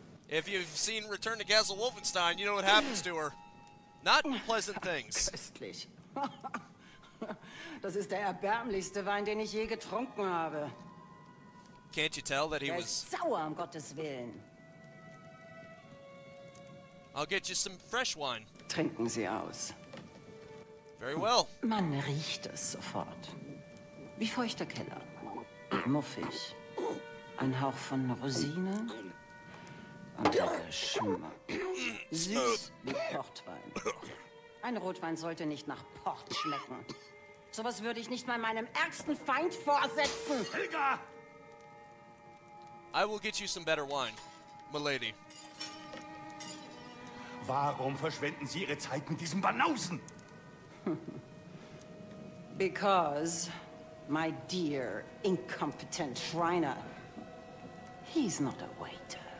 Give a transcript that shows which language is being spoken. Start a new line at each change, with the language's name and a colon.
English: If you've seen Return to Castle Wolfenstein, you know what happens to her. Not pleasant things.
German: Köstlich. Das ist der erbärmlichste Wein, den ich je getrunken habe.
English: Can't you tell that he was...
German: sauer, um Gottes Willen.
English: I'll get you some fresh wine.
German: Trinken Sie aus.
English: Very well.
German: Man riecht es sofort. Wie feuchter Keller. Muffig. Ein Hauch von Rosine. Und der Geschmack. Süß wie Portwein. Ein Rotwein sollte nicht nach Port schmecken. Sowas würde ich nicht mal meinem ärgsten Feind vorsetzen. Helga!
English: I will get you some better wine, m'lady.
German: Warum verschwenden Sie Ihre Zeit mit diesem Banausen?
English: Because, my dear, incompetent Schreiner, he's not a waiter.